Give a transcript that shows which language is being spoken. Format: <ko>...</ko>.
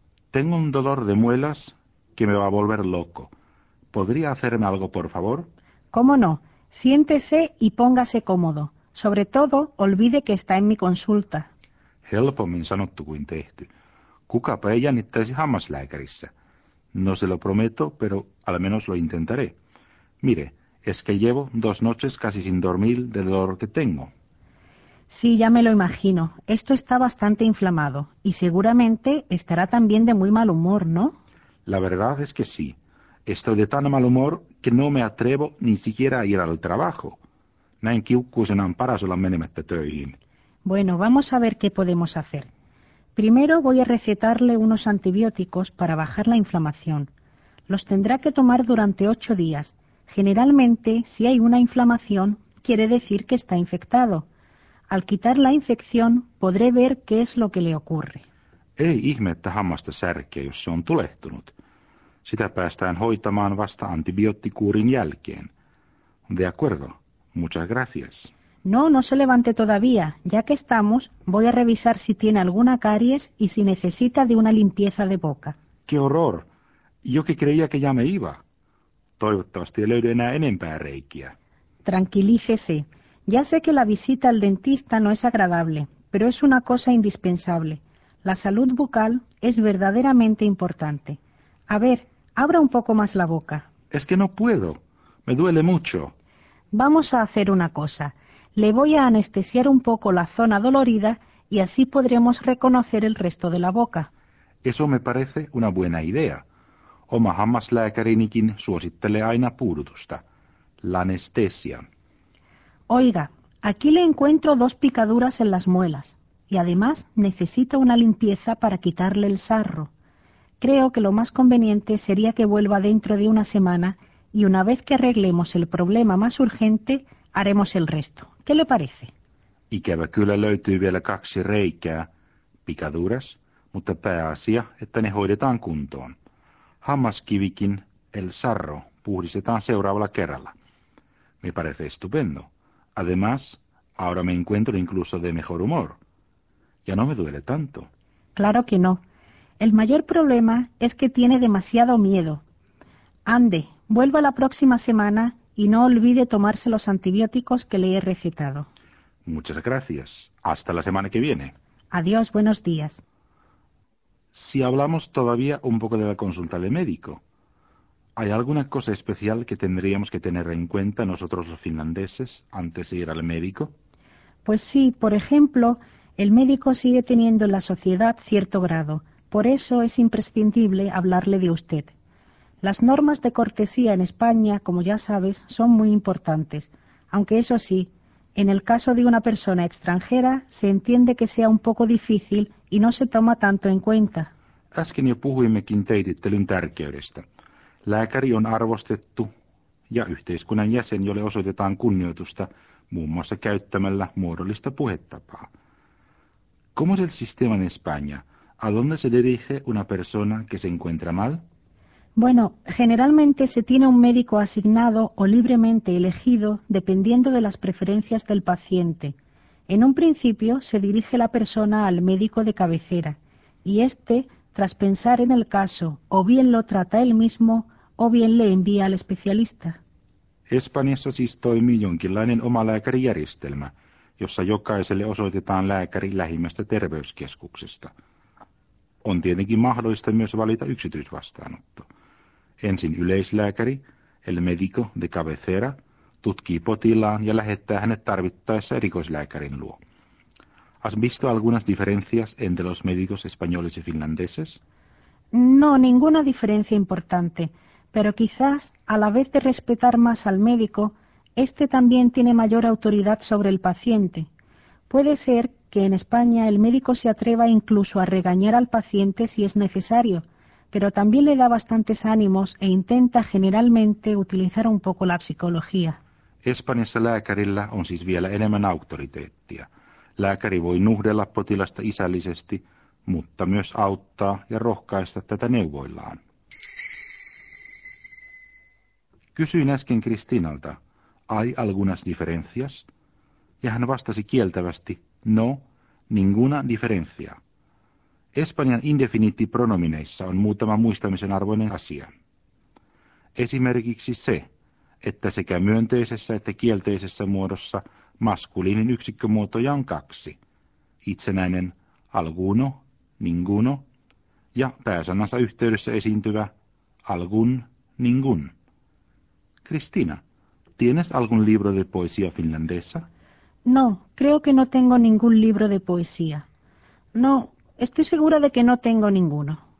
<es>Tengo un dolor de muelas que me va a volver loco. ¿Podría hacerme algo, por favor? ¿Cómo no? Siéntese y póngase cómodo. Sobre todo, olvide que está en mi consulta.</es> <fi>Helpommin sanottu kuin tehty. Kukapa ei jännittäisi hammaslääkärissä.</fi> <es>No se lo prometo, pero al menos lo intentaré. Mire... es que llevo dos noches casi sin dormir del dolor que tengo. Sí, ya me lo imagino. Esto está bastante inflamado. Y seguramente estará también de muy mal humor, ¿no? La verdad es que sí. Estoy de tan mal humor que no me atrevo ni siquiera a ir al trabajo.</es> <fi>Näin kiukkuisenan parasolan menemättä töihin.</fi> <es>Bueno, vamos a ver qué podemos hacer. Primero voy a recetarle unos antibióticos para bajar la inflamación. Los tendrá que tomar durante 8 días... Generalmente, si hay una inflamación, quiere decir que está infectado. Al quitar la infección, podré ver qué es lo que le ocurre.</es> <fi>Ei ihme, että hammasta särkee, jos se on tulehtunut. Sitä päästään hoitamaan vasta antibioottikuurin jälkeen.</fi> <es>De acuerdo. Muchas gracias. No, no se levante todavía. Ya que estamos, voy a revisar si tiene alguna caries y si necesita de una limpieza de boca. ¡Qué horror! Yo que creía que ya me iba.</es> <fi>Toivottavasti ei löydy enää enempää reikiä.</fi> <es>Tranquilícese. Ya sé que la visita al dentista no es agradable, pero es una cosa indispensable. La salud bucal es verdaderamente importante. A ver, abra un poco más la boca. Es que no puedo. Me duele mucho. Vamos a hacer una cosa. Le voy a anestesiar un poco la zona dolorida y así podremos reconocer el resto de la boca. Eso me parece una buena idea.</es> <fi>Oma hammaslääkärinikin suosittelee aina puudutusta.</fi> <es>La anestesia. Oiga, aquí le encuentro dos picaduras en las muelas. Y además necesita una limpieza para quitarle el sarro. Creo que lo más conveniente sería que vuelva dentro de una semana y una vez que arreglemos el problema más urgente, haremos el resto. ¿Qué le parece?</es> <fi>Ikävä kyllä löytyy vielä kaksi reikää, picaduras, mutta pääasia, että ne hoidetaan kuntoon. Hammaskivikin,</fi> <es>el sarro,</es> <fi>puhdistetaan seuraavalla kerralla.</fi> <es>Me parece estupendo. Además, ahora me encuentro incluso de mejor humor. Ya no me duele tanto. Claro que no. El mayor problema es que tiene demasiado miedo. Ande, vuelva la próxima semana y no olvide tomarse los antibióticos que le he recetado. Muchas gracias. Hasta la semana que viene. Adiós, buenos días. Si hablamos todavía un poco de la consulta de médico, ¿hay alguna cosa especial que tendríamos que tener en cuenta nosotros los finlandeses antes de ir al médico? Pues sí, por ejemplo, el médico sigue teniendo en la sociedad cierto grado. Por eso es imprescindible hablarle de usted. Las normas de cortesía en España, como ya sabes, son muy importantes. Aunque eso sí, en el caso de una persona extranjera, se entiende que sea un poco difícil y no se toma tanto en cuenta.</es> <fi>Äsken jo puhuimmekin teitittelyn tärkeydestä. Lääkäri on arvostettu ja yhteiskunnan jäsen, jolle osoitetaan kunnioitusta muun muassa käyttämällä muodollista puhetapaa.</fi> <es>¿Cómo es el sistema en España? ¿A dónde se dirige una persona que se encuentra mal? Bueno, generalmente se tiene un médico asignado o libremente elegido dependiendo de las preferencias del paciente. En un principio se dirige la persona al médico de cabecera y este, tras pensar en el caso, o bien lo trata él mismo o bien le envía al especialista.</es> <fi>Espanjassa siis toimii jonkinlainen omalääkärijärjestelmä, jossa jokaiselle osoitetaan lääkäri lähimmästä terveyskeskuksesta. On tietenkin mahdollista myös valita yksityisvastaanotto. Ensin yleislääkäri,</fi> <es>el médico de cabecera,</es> <fi>tutkii potilaan ja lähettää hänet tarvittaessa erikoislääkärin luo.</fi> <es>¿Has visto algunas diferencias entre los médicos españoles y finlandeses? No, ninguna diferencia importante. Pero quizás, a la vez de respetar más al médico, este también tiene mayor autoridad sobre el paciente. Puede ser que en España el médico se atreva incluso a regañar al paciente si es necesario, pero también le da bastantes ánimos e intenta generalmente utilizar un poco la psicología.</es> <fi>Espanjassa lääkärillä on siis vielä enemmän auktoriteettia. Lääkäri voi nuhdella potilasta isällisesti, mutta myös auttaa ja rohkaista tätä neuvoillaan. Kysyin äsken Kristiinalta,</fi> <es>¿hay algunas diferencias?</es> <fi>Ja hän vastasi kieltävästi,</fi> <es>no, ninguna diferencia.</es> <fi>Espanjan indefiniittipronomineissa on muutama muistamisen arvoinen asia. Esimerkiksi se, että sekä myönteisessä että kielteisessä muodossa maskuliinin yksikkömuotoja on kaksi. Itsenäinen alguno, ninguno, ja pääsanansa yhteydessä esiintyvä algún, ningún.</fi> <es>Cristina, ¿tienes algún libro de poesía finlandesa? No, creo que no tengo ningún libro de poesía. No, estoy segura de que no tengo ninguno.</es>